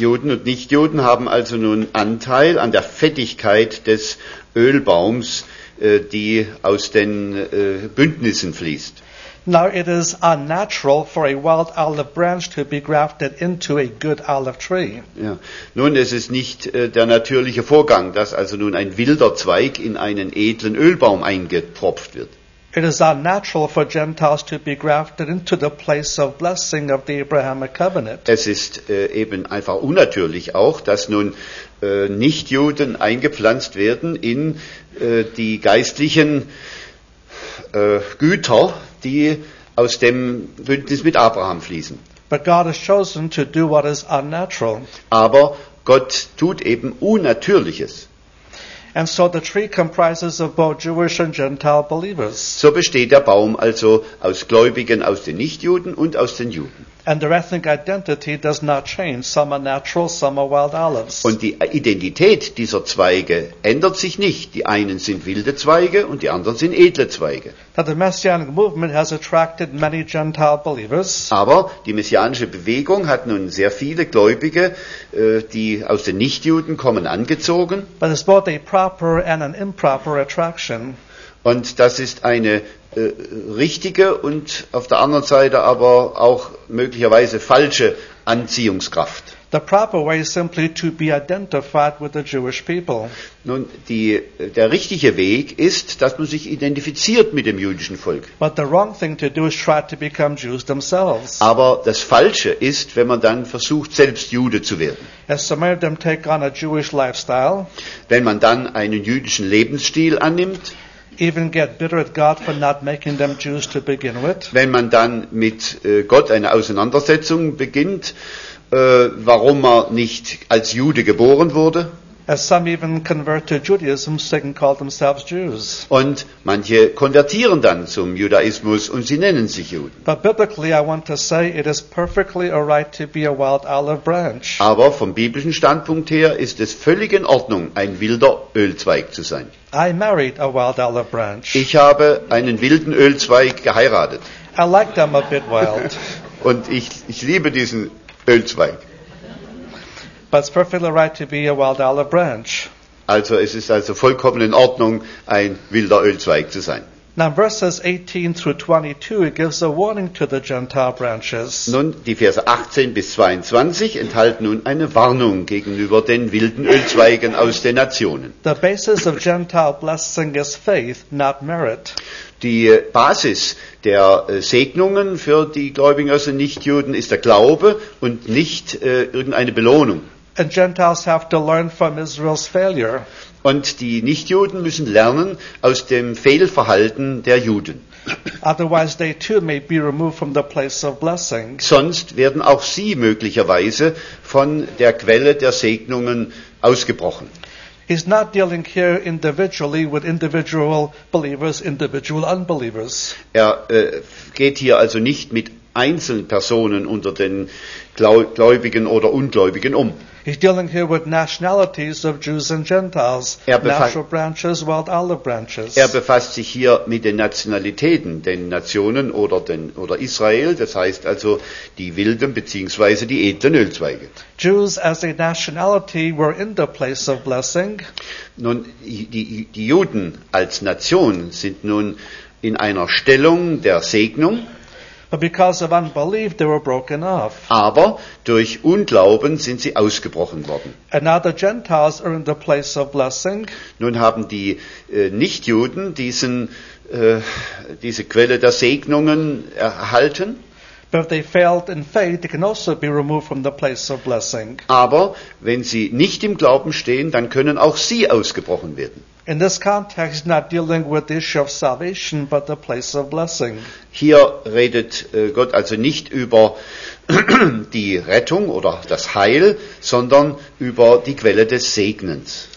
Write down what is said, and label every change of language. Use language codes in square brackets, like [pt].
[de] Juden und Nichtjuden haben also nun Anteil an der Fettigkeit des Ölbaums, die aus den Bündnissen fließt. [en] Now it is unnatural for a wild olive branch to be grafted into a good olive tree. [de] Ja. Nun, es ist nicht der natürliche Vorgang, dass also nun ein wilder Zweig in einen edlen Ölbaum eingepropft wird. [en] It is unnatural for Gentiles to be grafted into the place of blessing of the Abrahamic covenant. [de] Es ist eben einfach unnatürlich auch, dass nun Nichtjuden eingepflanzt werden in die geistlichen Güter, die aus dem Bündnis mit Abraham fließen. [en] But God has chosen to do what is unnatural. [de] Aber Gott tut eben Unnatürliches. [en] And so the tree comprises of both Jewish and Gentile believers. [de] So besteht der Baum also aus Gläubigen aus den Nichtjuden und aus den Juden. [en] And their ethnic identity does not change. Some are natural, some are wild olives. [de] Und die Identität dieser Zweige ändert sich nicht. Die einen sind wilde Zweige und die anderen sind edle Zweige. [en] Now the Messianic movement has attracted many Gentile believers. [de] Aber die messianische Bewegung hat nun sehr viele Gläubige, die aus den Nichtjuden kommen, angezogen. [en] But it's both a proper and an improper attraction. [de] Und das ist eine richtige und auf der anderen Seite aber auch möglicherweise falsche Anziehungskraft. [en] The proper way is simply to be identified with the Jewish people. [de] Nun, der richtige Weg ist, dass man sich identifiziert mit dem jüdischen Volk. [en] But the wrong thing to do is try to become Jews themselves. [de] Aber das Falsche ist, wenn man dann versucht, selbst Jude zu werden. [en] As so many of them take on a Jewish lifestyle. [de] Wenn man dann einen jüdischen Lebensstil annimmt. [en] Even get bitter at God for not making them Jews to begin with. [de] Wenn man dann mit Gott eine Auseinandersetzung beginnt, warum man nicht als Jude geboren wurde. [en] As some even convert to Judaism, so they can call themselves Jews. [de] Und manche konvertieren dann zum Judaismus und sie nennen sich Juden. [en] But biblically, I want to say, it is perfectly all right to be a wild olive branch. [de] Aber vom biblischen Standpunkt her ist es völlig in Ordnung, ein wilder Ölzweig zu sein. [en] I married a wild olive branch. [de] Ich habe einen wilden Ölzweig geheiratet. [en] I like them a bit wild. [de] Und ich liebe diesen Ölzweig. [en] But it's perfectly right to be a wild olive branch. [de] Also, es ist also vollkommen in Ordnung, ein wilder Ölzweig zu sein. [en] Now, verses 18 through 22, it gives a warning to the Gentile branches. [de] Nun, die Verse 18 bis 22 enthalten nun eine Warnung gegenüber den wilden Ölzweigen aus den Nationen. [en] The basis of Gentile blessing is faith, not merit. [de] Die Basis der Segnungen für die Gläubigen aus den Nichtjuden ist der Glaube und nicht irgendeine Belohnung. [en] And Gentiles have to learn from Israel's failure. [de] Und die Nichtjuden müssen lernen aus dem Fehlverhalten der Juden. [en] Otherwise they too may be removed from the place of blessing. [de] Sonst werden auch sie möglicherweise von der Quelle der Segnungen ausgebrochen. [en] He's not dealing here individually with individual believers, individual unbelievers. [de] Er geht hier also nicht mit einzelnen Personen unter den Gläubigen oder Ungläubigen um. [en] He's dealing here with nationalities of Jews and Gentiles, natural branches, wild olive branches. [de] Er befasst sich hier mit den Nationalitäten, den Nationen oder Israel, das heißt also die wilden bzw. die edlen Ölzweige. [en] Jews as a nationality were in the place of blessing. [de] Nun, die Juden als Nation sind nun in einer Stellung der Segnung. [en] But because of unbelief, they were broken off. [de] Aber durch Unglauben sind sie ausgebrochen worden. [en] And now the Gentiles are in the place of blessing. [de] Nun haben die Nichtjuden diese Quelle der Segnungen erhalten. [en] But if they failed in faith, they can also be removed from the place of blessing. [de] Aber wenn sie nicht im Glauben stehen, dann können auch sie ausgebrochen werden. [en] In this context, he's not dealing with the issue of salvation, but the place of blessing. [de] Hier redet Gott also nicht über die Rettung oder das Heil, sondern über die Quelle des Segnens.